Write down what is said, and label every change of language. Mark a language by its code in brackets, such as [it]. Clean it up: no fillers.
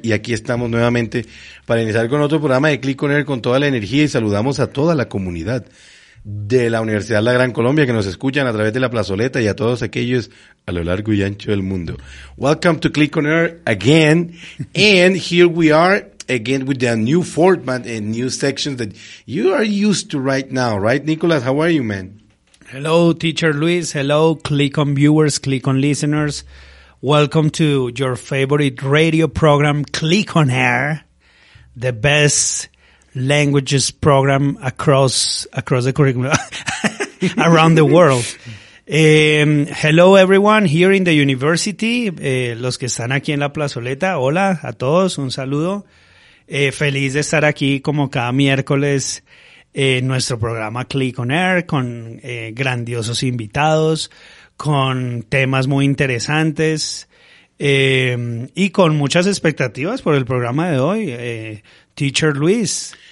[es] Y aquí estamos nuevamente para iniciar con otro programa de Click On Air con toda la energía y saludamos a toda la comunidad de la Universidad La Gran Colombia que nos escuchan a través de la plazoleta y a todos aquellos a lo largo y ancho del mundo. [en] Welcome to Click On Air again. And here we are again with the new format and new sections that you are used to right now, right, Nicolas? How are you, man? Hello, Teacher Luis. Hello, Click On viewers, Click On listeners. Welcome to your favorite radio program, Click On Air, the best languages program across the curriculum, around the world. Hello, everyone here in the university. [es] Los que están aquí en la plazoleta, hola a todos, un saludo. Feliz de estar aquí como cada miércoles. Nuestro programa Click On Air con grandiosos invitados, con temas muy interesantes y con muchas expectativas por el programa de hoy, Teacher Luis.